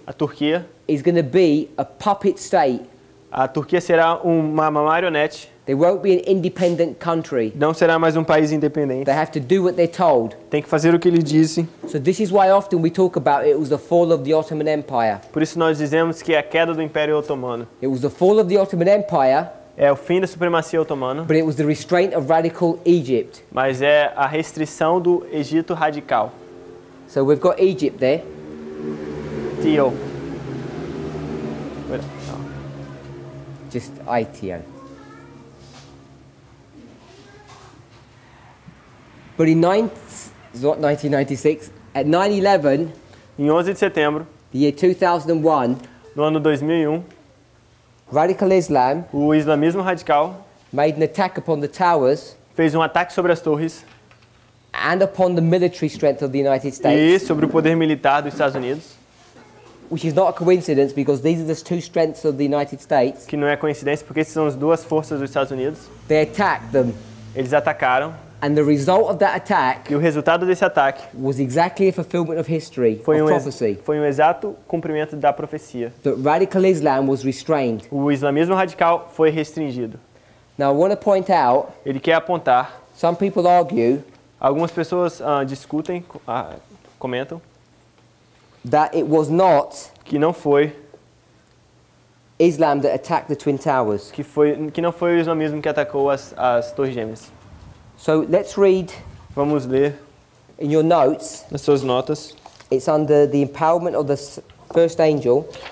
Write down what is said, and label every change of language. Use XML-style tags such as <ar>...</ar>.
<pt>a Turquia,</pt> <en>is going to be a puppet state.</en> <pt>A Turquia será uma marionete.</pt> <en>They won't be an independent country.</en> <pt>Não será mais um país independente.</pt> <en>They have to do what they're told.</en> <pt>Tem que fazer o que lhe dizem.</pt> <en>So this is why often we talk about it was the fall of the Ottoman Empire.</en> <pt>Por isso nós dizemos que é a queda do Império Otomano.</pt> <en>It was the fall of the Ottoman Empire.</en> <pt>É o fim da supremacia otomana.</pt> <en>But it was the restraint of radical Egypt.</en> <pt>Mas é a restrição do Egito radical.</pt> <en>So we've got Egypt there. Tio. Just ITO. But in 9/11,</en> <pt>em 11 de setembro,</pt> <en>the year 2001,</en> <pt>no ano 2001,</pt> <en>radical Islam,</en> <pt>o islamismo radical,</pt> <en>made an attack upon the towers,</en> <pt>fez ataque sobre as torres,</pt> <en>and upon the military strength of the United States,</en> <pt>e sobre o poder militar dos Estados Unidos.</pt> <en>Which is not a coincidence because these are the two strengths of the United States.</en> <pt>Que não é coincidência porque essas são as duas forças dos Estados Unidos.</pt> <en>They attacked them.</en> <pt>Eles atacaram.</pt> <en>And the result of that attack.</en> <pt>E o resultado desse ataque.</pt> <en>Was exactly a fulfillment of history, of prophecy.</en> <pt>Foi um exato cumprimento da profecia.</pt> <en>The radical Islam was restrained.</en> <pt>O islamismo radical foi restringido.</pt> <en>Now I want to point out.</en> <pt>Ele quer apontar.</pt> <en>Some people argue.</en> <pt>Algumas pessoas discutem, comentam.</pt> <en>That it was not</en> <pt>que não foi</pt> <en>Islam that attacked the Twin Towers.</en> <pt>Que não foi o islamismo que atacou as Torres Gêmeas.</pt> <en>So let's read.</en> <pt>Vamos ler.</pt> <en>In your notes.</en> <pt>Nas suas notas.</pt> <en>It's under the empowerment of the first angel.</en>